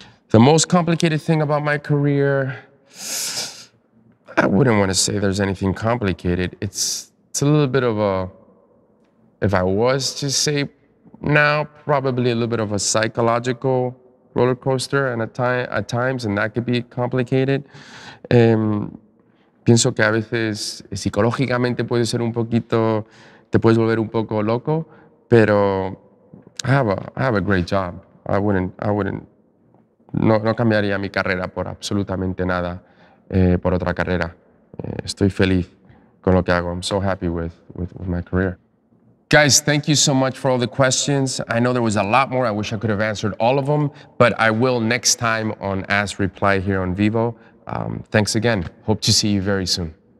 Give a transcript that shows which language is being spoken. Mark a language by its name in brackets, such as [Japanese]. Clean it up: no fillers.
[English] The most complicated thing about my career, I wouldn't want to say there's anything complicated. It's a little bit of a, if I was to say now, probably a little bit of a psychological roller coaster and at times, and that could be complicated. [Spanish] Pienso que a veces psicológicamente puede ser un poquito, te puedes volver un poco loco, pero [English] I have a great job. I wouldn't. [Spanish] No cambiaría mi carrera por absolutamente nada, por otra carrera. Estoy feliz con lo que hago. [English] I'm so happy with my career. Guys, thank you so much for all the questions. I know there was a lot more. I wish I could have answered all of them, but I will next time on Ask Reply here on Vivo. Thanks again. Hope to see you very soon.